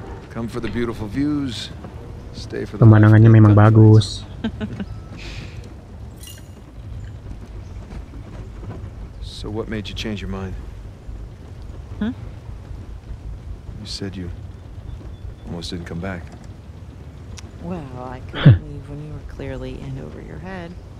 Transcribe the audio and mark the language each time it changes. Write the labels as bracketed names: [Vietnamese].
[English] Come for the beautiful views. [Indonesian] Pemandangannya memang bagus. [English] So what made you change your mind? Huh? You said you almost didn't come back. Well, I couldn't leave when you were clearly in over your head.